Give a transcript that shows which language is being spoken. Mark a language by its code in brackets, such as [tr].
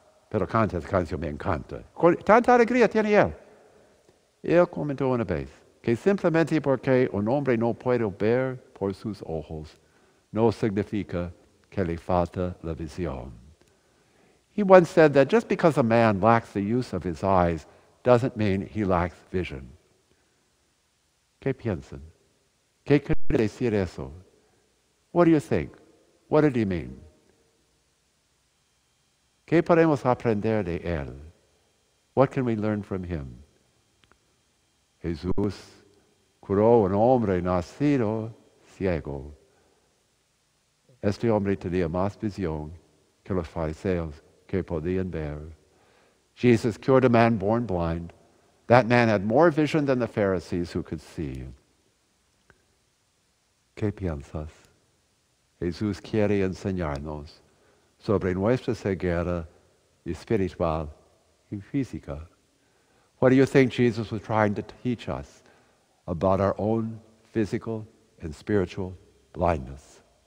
[es] Pero canta esa canción, me encanta. Tanta alegría tiene él. Él comentó una vez que simplemente porque un hombre no puede ver por sus ojos no significa que le falta la visión. [en] He once said that just because a man lacks the use of his eyes doesn't mean he lacks vision. [es] ¿Qué piensan? ¿Qué quiere decir eso? [en] What do you think? What did he mean? [es] ¿Qué podemos aprender de él? [en] What can we learn from him? [es] Jesús curó un hombre nacido ciego. Este hombre tenía más visión que los fariseos que podían ver. [en] Jesus cured a man born blind. That man had more vision than the Pharisees who could see. [es] ¿Qué piensas? Jesús quiere enseñarnos sobre nuestra ceguera espiritual y física. [en] What do you think Jesus was trying to teach us about our own physical and spiritual blindness?